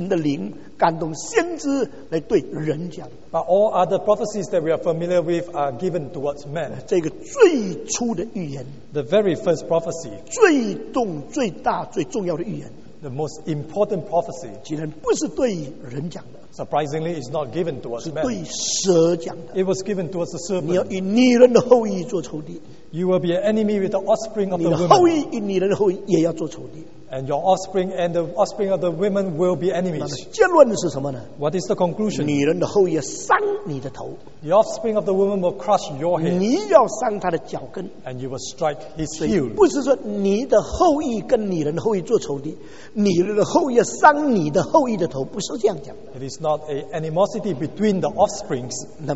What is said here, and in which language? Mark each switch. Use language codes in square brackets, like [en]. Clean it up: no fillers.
[zh] 其他的预言是神借着神的灵感动先知来对人讲, [en] but all other prophecies that we are familiar with are given towards men. [zh] 这个最初的预言, [en] the very first prophecy, [zh] 最重最大最重要的预言, [en] the most important prophecy, [zh] 竟然不是对人讲的, [en] surprisingly, it's not given towards men. [zh] 是对蛇讲的, [en] it was given towards the serpent. [zh] 你要以女人的后裔做仇敌, [en] you will be an enemy with the offspring of the woman. [zh] 你的后裔以女人的后裔也要做仇敌, [en] and your offspring and the offspring of the women will be enemies. [zh] 结论是什么呢? [en] What is the conclusion? [zh] 女人的后裔要伤你的头, [en] the offspring of the woman will crush your head. [zh] 你要伤他的脚跟, [en] and you will strike his heel. [zh] 不是说你的后裔跟女人的后裔做仇敌, 女人的后裔要伤你的后裔的头, 不是这样讲的, [en] it is not an animosity between the offsprings.